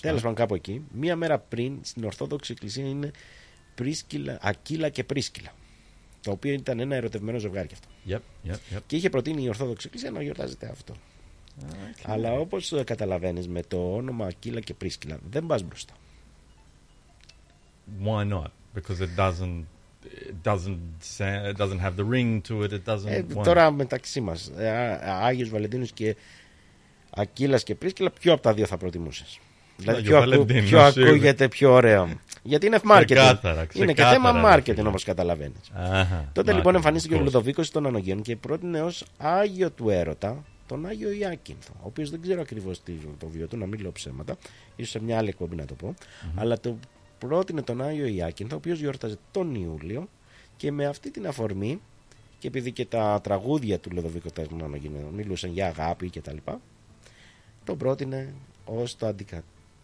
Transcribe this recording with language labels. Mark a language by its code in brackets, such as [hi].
[el] Τέλος πάντων, κάπου εκεί, μία μέρα πριν, στην Ορθόδοξη Εκκλησία είναι Πρίσκυλα, Ακύλα και Πρίσκυλα, το οποίο ήταν ένα ερωτευμένο ζευγάρι αυτό. [en] Yep. [el] Και είχε προτείνει η Ορθόδοξη Εκκλησία να γιορτάζεται αυτό. Okay. Αλλά όπως καταλαβαίνεις, με το όνομα Ακύλα και Πρίσκυλα δεν πας μπροστά. [en] Why not? Because it doesn't have the ring to it. [el] Τώρα μεταξύ μας, Άγιος Βαλεντίνος και Ακύλας και Πρίσκυλα, ποιο από τα δύο θα προτιμούσες? Δηλαδή ποιο ακούγεται πιο ωραίο? Γιατί είναι marketing. Ξεκάθαρα, είναι και θέμα marketing, όπως καταλαβαίνεις. Αχα, τότε μάρκετ, λοιπόν εμφανίστηκε ο Λουδοβίκος των Αναγίων και πρότεινε ως Άγιο του Έρωτα τον Άγιο Ιάκυνθο, ο οποίος δεν ξέρω ακριβώς το βιο του, να μην λέω ψέματα, ίσως σε μια άλλη εκπομπή να το πω, αλλά το πρότεινε τον Άγιο Ιάκυνθο, ο οποίος γιόρταζε τον Ιούλιο, και με αυτή την αφορμή, και επειδή και τα τραγούδια του Λουδοβίκου των Αναγίων μιλούσαν για αγάπη κτλ., τον πρότεινε ως το αντικατάστημα.